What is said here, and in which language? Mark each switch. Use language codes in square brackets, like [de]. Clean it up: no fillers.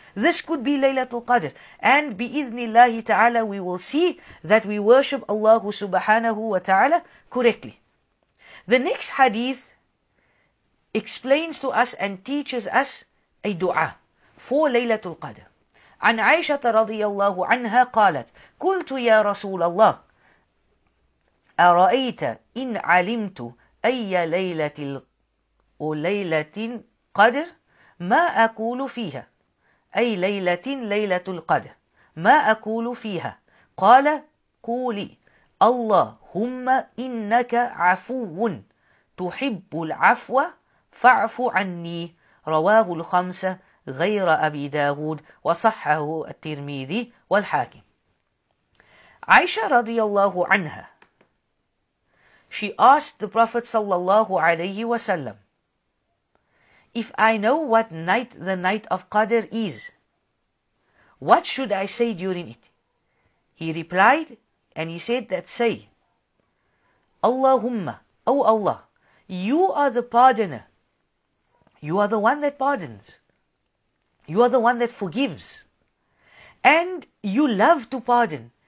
[en] This could be Laylatul Qadr. And bi-idhnillahi ta'ala we will see that we worship Allah subhanahu wa ta'ala correctly. The next hadith explains to us and teaches us a dua for Laylatul Qadr. [ar] عن عائشة رضي الله عنها قالت قلت يا رسول الله أرأيت إن علمت أي ليلة ليلة قدر ما أقول فيها أي ليلة ليلة القدر ما أقول فيها قال قولي اللهم إنك عفو تحب العفو فاعف عني رواه الخمسة غير أبي داود وصحه الترمذي والحاكم. [en] Aisha radiyallahu anha, she asked the Prophet sallallahu alayhi wa sallam, if I know what night the night of Qadr is, what should I say during it? He replied and he said that say, Allahumma, O Allah, you are the pardoner, you are the one that pardons, you are the one that forgives, and you love to pardon.